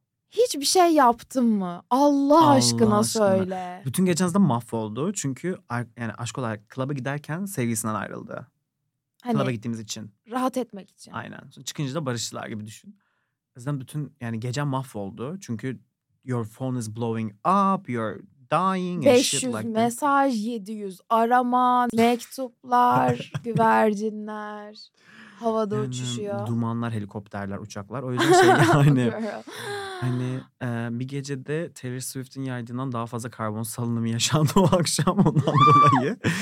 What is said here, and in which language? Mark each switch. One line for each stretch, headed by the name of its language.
Turkish: Hiçbir şey yaptın mı? Allah aşkına söyle. Bütün geceniz de mahvoldu. Çünkü yani aşk olarak klaba giderken sevgilisinden ayrıldı. Hani, klaba gittiğimiz için. Rahat etmek için. Aynen. Sonra çıkınca da barıştılar gibi düşün. O yüzden bütün yani gece mahvoldu. Çünkü
English: your phone is blowing up. You're dying. 500 like
Turkish: mesaj, 700 arama, mektuplar, güvercinler. Havada yani, uçuşuyor. Dumanlar, helikopterler, uçaklar. O yüzden şey yani. Hani bir gecede Taylor Swift'in yaydığından daha fazla karbon salınımı yaşandı o akşam ondan dolayı.